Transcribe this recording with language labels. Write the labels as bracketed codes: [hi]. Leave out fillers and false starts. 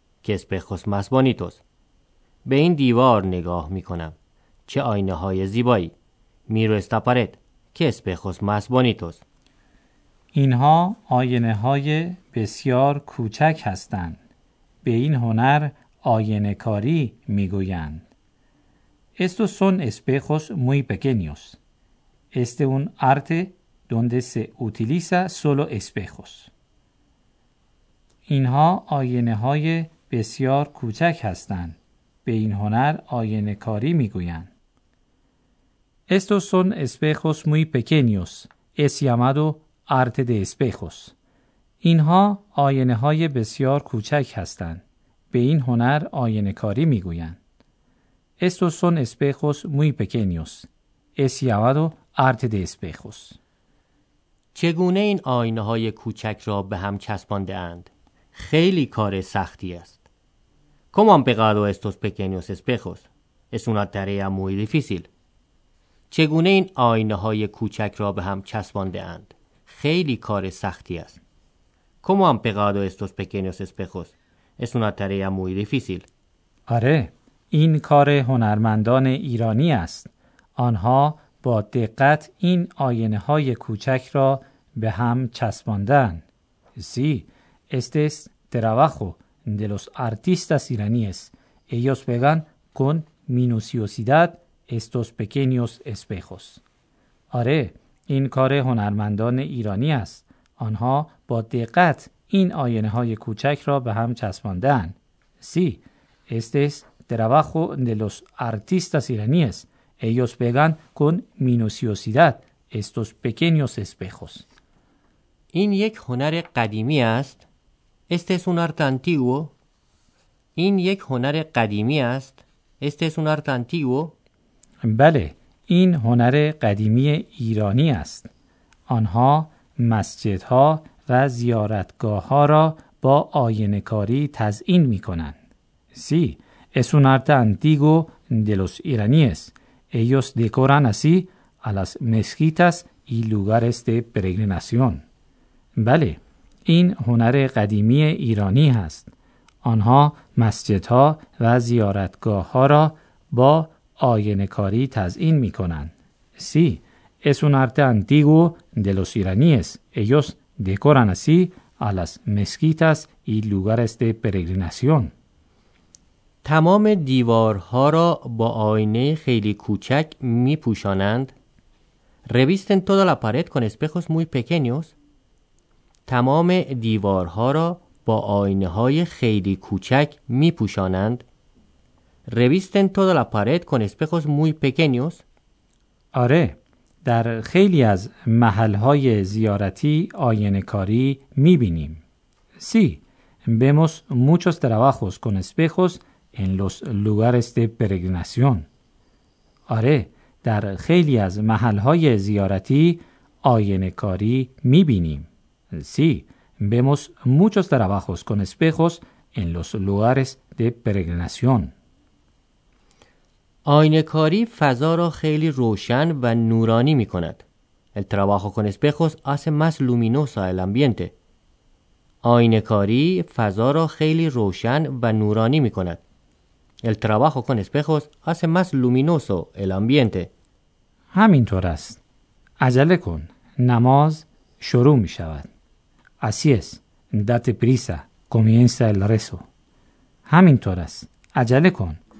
[es] که اسپخوس ماس بونیتوس. [fa] به این دیوار نگاه میکنم. چه آینه های زیبایی. [es] میرو استا پارد. که اسپخوس ماس بونیتوس. [fa] اینها آینه های بسیار کوچک هستند. به این هنر آینه کاری می گویند. [es] Estos son espejos muy pequeños. Este es un arte donde se utiliza solo espejos. [fa] اینها آینه های بسیار کوچک هستند. به این هنر آینه کاری می گویند. [es] Estos son espejos muy pequeños. Es llamado arte de espejos. [fa] اینها آینه های بسیار کوچک هستند. به این هنر آینه کاری می گویند. [es] Estos son espejos muy pequeños. Es llamado arte de espejos. [fa] چگونه این آینه های کوچک را به هم چسبانده اند؟ خیلی کار سختی است. [es] ¿Cómo han pegado estos pequeños espejos? Es una tarea muy difícil. [fa] چگونه این آینه های کوچک را به هم چسبانده اند؟ خیلی کار سختی است. [es] ¿Cómo han pegado estos pequeños espejos? Es una tarea muy difícil. [fa] آره، این کار هنرمندان ایرانی است. آنها با دقت این آینه های کوچک را به هم چسباندند. [es] Sí, este es trabajo de los artistas iraníes. Ellos pegan con minuciosidad estos pequeños espejos. [fa] آره، این کار هنرمندان ایرانی است. آنها با دقت این آینه های کوچک را به هم چسباندن. [es] سی، este es trabajo de los artistas iraníes. Ellos pegan con minuciosidad estos pequeños espejos. [fa] این یک هنر قدیمی است. [es] Este es un arte antiguo. [fa] این یک هنر قدیمی است. [es] Este es un arte antiguo. [fa] بله، این هنر قدیمی ایرانی است. آنها مسجدها و زیارتگاه ها را با آینه کاری تزئین می کنند. [es] سی، es un arte antiguo de los iraníes. Ellos decoran así a las mezquitas y lugares de peregrinación. [fa] بله، این هنر قدیمی ایرانی هست. آنها مسجدها و زیارتگاه ها را با آینه کاری تزئین می کنند. [es] سی، es un arte antiguo de los iraníes. Ellos decoran así a las mezquitas y lugares de peregrinación. [fa] تمام دیوارها را با آینه خیلی کوچک می پوشانند. [es] Revisten toda la pared con espejos muy pequeños. [fa] تمام دیوارها را با آینه های خیلی کوچک می پوشانند. [es] Revisten toda la pared con espejos muy pequeños. [fa] آره، در خیلی از محل‌های زیارتی آینه‌کاری می‌بینیم. [es] Sí, vemos muchos trabajos con espejos en los lugares de peregrinación. [fa] آره، در خیلی از محل‌های زیارتی آینه‌کاری می‌بینیم. [es] Sí, vemos muchos trabajos con espejos en los lugares de peregrinación. [fa] آینه کاری فضا را خیلی روشن و نورانی می کند. [es] El trabajo con espejos hace más luminosa el ambiente. [fa] آینه کاری فضا را خیلی روشن و نورانی می کند. [es] El trabajo con espejos hace más luminoso el ambiente. [fa] همینطور است. عجله کن. نماز شروع می شود. [es] Así es. Date prisa. Comienza el rezo. [fa] همینطور است. عجله کن.